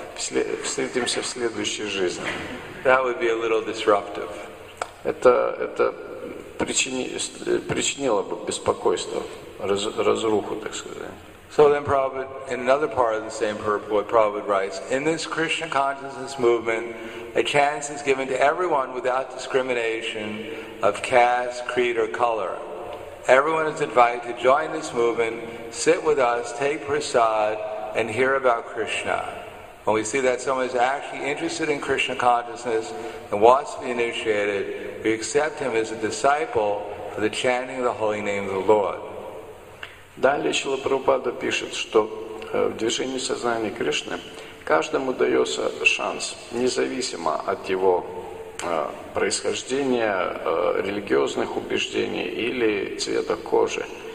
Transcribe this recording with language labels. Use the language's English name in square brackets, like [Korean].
[Russian] Встретимся в следующей жизни. [English] That would be a little disruptive. [Russian] Это причинило бы беспокойство, разруху, так сказать. [English] So then Prabhupada, in another part of the same purport, Prabhupada writes, in this Krishna consciousness movement, a chance is given to everyone without discrimination of caste, creed, or color. Everyone is invited to join this movement, sit with us, take prasad, and hear about Krishna. When we see that someone is actually interested in Krishna consciousness and wants to be initiated, we accept him as a disciple for the chanting of the holy name of the Lord. [Russian] Далее Шрила Прабхупада пишет, что в движении сознания Кришны каждому дается шанс, независимо от его происхождения, религиозных убеждений или цвета кожи.